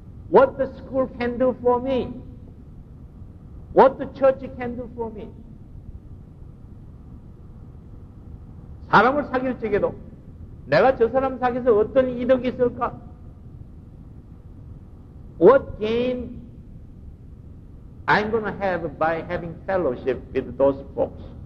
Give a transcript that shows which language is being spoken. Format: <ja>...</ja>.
<en>What the school can do for me? What the church can do for me?</en> <ko>사람을 사귈 적에도 내가 저 사람 사귀어서 어떤 이득이 있을까?</ko> <en>What gain I'm going to have by having fellowship with those folks?</en>